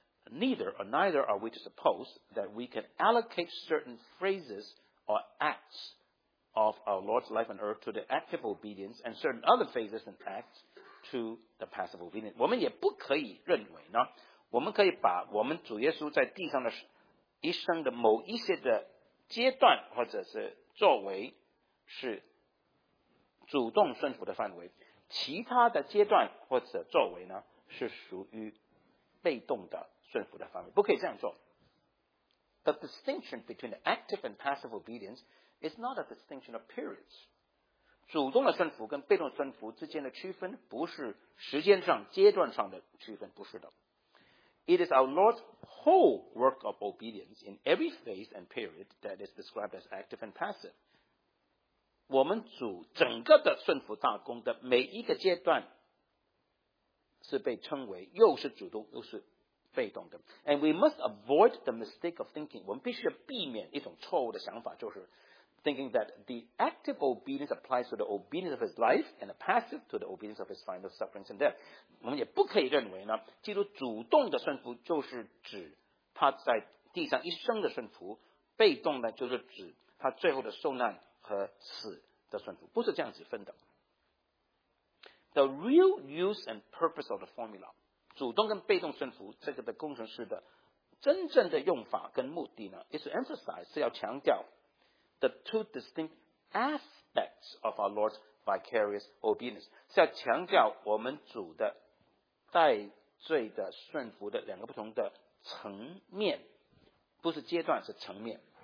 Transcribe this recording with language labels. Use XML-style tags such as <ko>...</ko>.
<en>Neither are we to suppose that we can allocate certain phrases or acts of our Lord's life on earth to the active obedience and certain other phrases and acts to the passive obedience.</en> <zh>我们也不可以认为呢，我们可以把我们主耶稣在地上的一生的某一些的阶段或者是作为是主动顺服的范围，其他的阶段或者作为呢是属于被动的顺服的范围，不可以这样做。</zh> <en>The distinction between the active and passive obedience is not a distinction of periods，</en> <zh>主动的顺服跟被动顺服之间的区分不是时间上阶段上的区分，不是的。</zh> <en>It is our Lord's whole work of obedience in every phase and period that is described as active and passive，</en> <zh>我们主整个的顺服大功的每一个阶段是被称为又是主动又是被动的。</zh> <en>And we must avoid the mistake of thinking，</en> <zh>我们必须避免一种错误的想法，就是</zh> <en>thinking that the active obedience applies to the obedience of his life and the passive to the obedience of his final sufferings and death。</en> <zh>我们也不可以认为呢，基督主动的顺服就是指他在地上一生的顺服，被动呢就是指他最后的受难和死的顺服，不是这样子分的。</zh> <en>The real use and purpose of the formula，</en> <zh>主动跟被动顺服这个的工程师的真正的用法跟目的呢，</zh> <en>is to emphasize，</en> <zh>是要强调</zh> <en>the two distinct aspects of our Lord's vicarious obedience，</en> <zh>是要强调我们主的代罪的顺服的两个不同的层面，不是阶段，是层面。</zh>